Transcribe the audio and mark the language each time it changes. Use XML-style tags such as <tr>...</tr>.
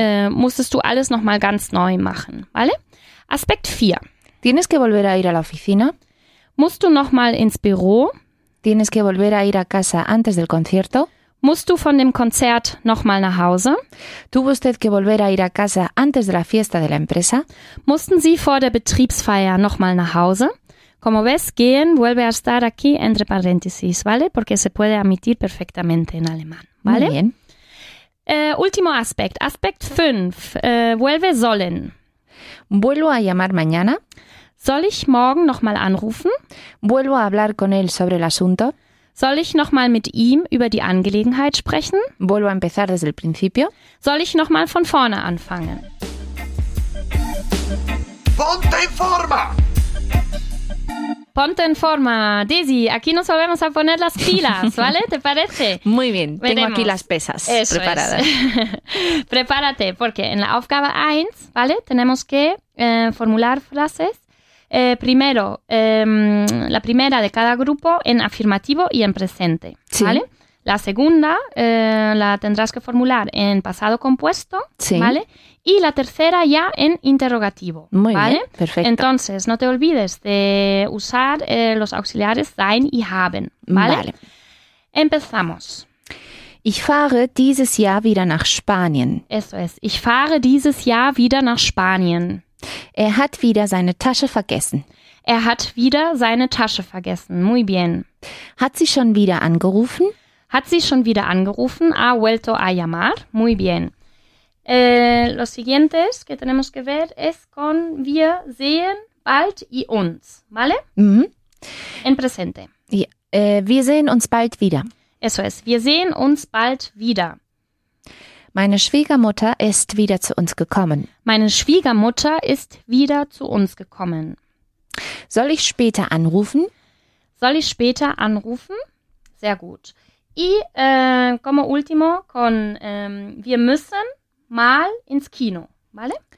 <de>Musstest du alles nochmal ganz neu machen,</de> <es>¿vale?</es> <de>Aspekt 4.</de> <es>¿Tienes que volver a ir a la oficina?</es> <de>Musst du nochmal ins Büro?</de> <es>¿Tienes que volver a ir a casa antes del concierto?</es> <de>¿Musst du von dem Konzert nochmal nach Hause?</de> <es>¿Tuvo usted que volver a ir a casa antes de la fiesta de la empresa?</es> <de>¿Mussten Sie vor der Betriebsfeier nochmal nach Hause?</de> <es>Como ves, gehen vuelve a estar aquí entre paréntesis, ¿vale? Porque se puede admitir perfectamente en alemán, ¿vale? Muy bien. Último aspecto, aspect 5. Vuelve sollen. ¿Vuelvo a llamar mañana?</es> <de>Soll ich morgen nochmal anrufen?</de> <es>Vuelvo a hablar con él sobre el asunto.</es> <de>Soll ich nochmal mit ihm über die Angelegenheit sprechen?</de> <es>Vuelvo a empezar desde el principio.</es> <de>Soll ich nochmal von vorne anfangen?</de> <es>Ponte en forma! Ponte en forma, Daisy. Aquí nos volvemos a poner las pilas, ¿vale? ¿Te parece? Muy bien. Veremos. Tengo aquí las pesas Eso preparadas. Es. Prepárate, porque en la Aufgabe 1, ¿vale? Tenemos que formular frases. Primero, la primera de cada grupo en afirmativo y en presente, sí. ¿Vale? La segunda la tendrás que formular en pasado compuesto, sí. ¿Vale? Y la tercera ya en interrogativo, Muy ¿vale? bien, perfecto. Entonces, no te olvides de usar los auxiliares sein y haben, ¿vale? Vale. Empezamos.</es> <de>Ich fahre dieses Jahr wieder nach Spanien.</de> <es>Eso es.</es> <de>Ich fahre dieses Jahr wieder nach Spanien. Er hat wieder seine Tasche vergessen. Er hat wieder seine Tasche vergessen.</de> <es>Muy bien.</es> <de>Hat sie schon wieder angerufen? Hat sie schon wieder angerufen.</de> <es>Ha vuelto a llamar. Muy bien. Los siguientes que tenemos que ver es con</es> <de>wir sehen bald</de> <es>y uns. ¿Vale? Mm-hmm. En presente.</es> <de>Ja. Wir sehen uns bald wieder.</de> <es>Eso es.</es> <de>Wir sehen uns bald wieder. Meine Schwiegermutter ist wieder zu uns gekommen. Meine Schwiegermutter ist wieder zu uns gekommen. Soll ich später anrufen? Soll ich später anrufen? Sehr gut.</de> <es>Y como último, con</es> <de>wir müssen mal ins Kino,</de> <es>¿vale?</es>